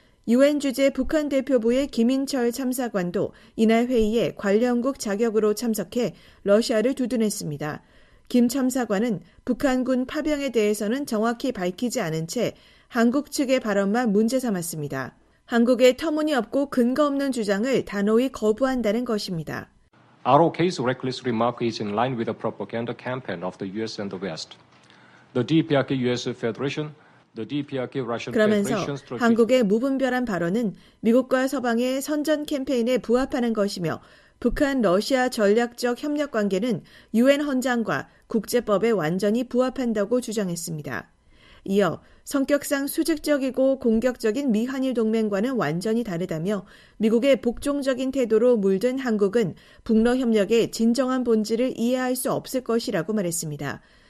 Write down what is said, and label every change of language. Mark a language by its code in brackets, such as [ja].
[ko] 유엔 주재 북한 대표부의 김인철 참사관도 이날 회의에 관련국 자격으로 참석해 러시아를 두둔했습니다. 김 참사관은 북한군 파병에 대해서는 정확히 밝히지 않은 채 한국 측의 발언만 문제 삼았습니다. 한국의 터무니없고 근거 없는 주장을 단호히 거부한다는 것입니다. [en] ROK's reckless remark is in line with the propaganda campaign of the US and the West. The DPRK US Federation [ko] 그러면서 한국의 무분별한 발언은 미국과 서방의 선전 캠페인에 부합하는 것이며 북한 러시아 전략적 협력 관계는 유엔 헌장과 국제법에 완전히 부합한다고 주장했습니다. 이어 성격상 수직적이고 공격적인 미한일 동맹과는 완전히 다르다며 미국의 복종적인 태도로 물든 한국은 북러 협력의 진정한 본질을 이해할 수 없을 것이라고 말했습니다.